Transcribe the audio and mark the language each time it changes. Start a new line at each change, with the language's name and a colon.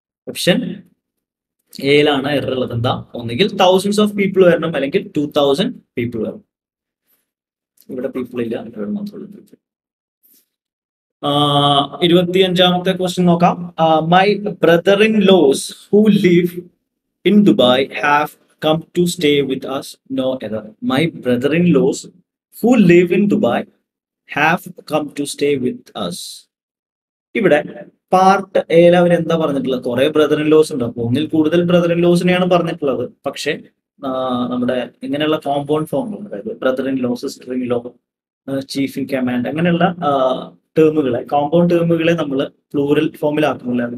Malayalam: Option എയിലാണ് error ഉള്ളത്. എന്താ? ഒന്നുകിൽ
English: thousands of people
Malayalam: വരണം, അല്ലെങ്കിൽ 2000 പീപ്പിൾ വരണം. ഇവിടെ പീപ്പിൾ ഇല്ല, ഇവിടെ മാത്രമുള്ള പീപ്പിൾ. ഇരുപത്തി അഞ്ചാമത്തെ ക്വസ്റ്റ്യൻ നോക്കാം.
English: My brother in laws who live in Dubai have come to stay with us no error. My brother in laws who live in Dubai have come to stay with us.
Malayalam: ഇവിടെ part A യിൽ അവർ എന്താ പറഞ്ഞിട്ടുള്ളത്? കുറെ brother in loss ഉണ്ട്, അപ്പൊ ഒന്നിൽ കൂടുതൽ brother in loss തന്നെയാണ് പറഞ്ഞിട്ടുള്ളത്. പക്ഷെ നമ്മുടെ ഇങ്ങനെയുള്ള കോമ്പൗണ്ട് ഫോമുകൾ, അതായത് brother in law, sister in law, chief in command, അങ്ങനെയുള്ള ടേമുകളെ, കോമ്പൗണ്ട് ടേമുകളെ നമ്മൾ പ്ലൂറൽ ഫോമിലാക്കുന്നില്ല.